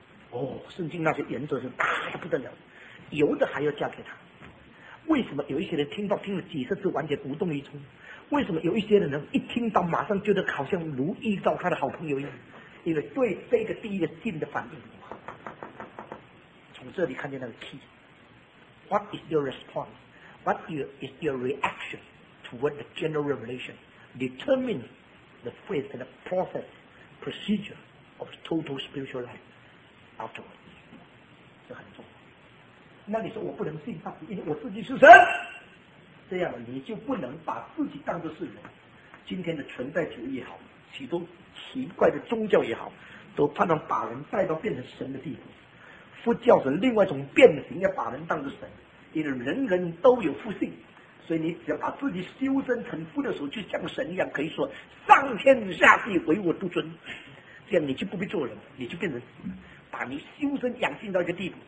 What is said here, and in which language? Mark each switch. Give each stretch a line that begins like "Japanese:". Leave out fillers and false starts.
Chinese: 哦，圣经那些原则是大的不得了，有的还要嫁给他。为什么有一些人听到听了几十次完全无动于衷？为什么有一些人一听到马上觉得好像如遇到他的好朋友一样？因为对这个第一个信的反应，从这里看见那个 key。
English: What is your response? What is your reaction toward the general revelation determines the faith and the process procedure of total spiritual life afterwards。
Chinese: 这很重要。那你说我不能信上帝，因为我自己是神，这样你就不能把自己当作是人。今天的存在主义也好，许多奇怪的宗教也好，都盼望把人带到变成神的地步。佛教是另外一种变形，要把人当作神，因为人人都有佛性，所以你只要把自己修身成佛的时候，就像神一样，可以说上天下地唯我独尊，这样你就不必做人，你就变成神，把你修身养性到一个地步。